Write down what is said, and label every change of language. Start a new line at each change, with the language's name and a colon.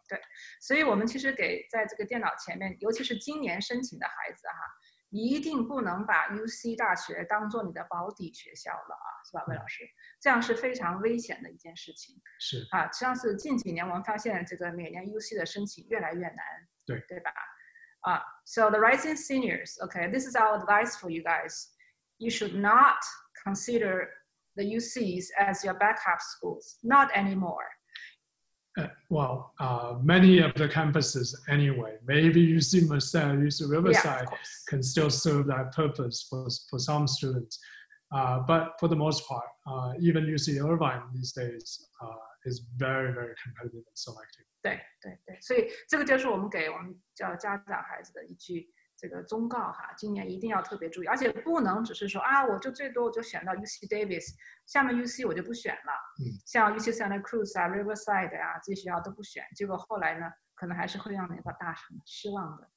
Chinese: 对，所以我们其实给在这个电脑前面，尤其是今年申请的孩子哈，一定不能把 UC 大学当做你的保底学校了啊，是吧，魏老师？这样是非常危险的一件事情是，啊。像是近几年我们发现，这个每年 UC 的申请越来越难，对，对吧？
English: So the rising seniors, okay, this is our advice for you guys. You should not consider the UCs as your backup schools, not anymore. well, many of the campuses anyway, maybe UC Merced, UC Yeah, of Riverside course. can still serve that purpose for some students. But for the most part, even UC Irvine these days is very, very competitive and selective.
Chinese: 对，所以这个就是我们给我们叫家长孩子的一句这个忠告哈，今年一定要特别注意，而且不能只是说啊，我就最多我就选到 UC Davis，下面 UC 我就不选了，像 UC Santa Cruz 啊、Riverside 呀、这些学校都不选，结果后来呢，可能还是会让你把大很失望的。